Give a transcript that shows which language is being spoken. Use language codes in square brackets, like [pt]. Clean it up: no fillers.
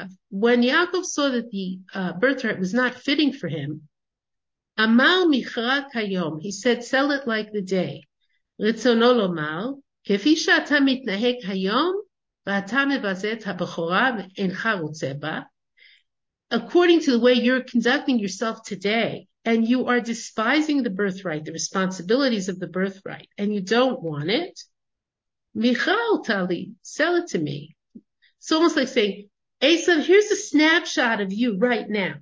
[en] When Yaakov saw that the birthright was not fitting for him, he said, sell it like the day. [he] רצונו לומר, כפי שאתה מתנהג היום, ואתה מבזה את הבכורה ואינך רוצה בה. [en] According to the way you're conducting yourself today, and you are despising the birthright, the responsibilities of the birthright, and you don't want it, [he] מיכה אותה לי, [en] sell it to me. It's almost like saying, Esav, here's a snapshot of you right now.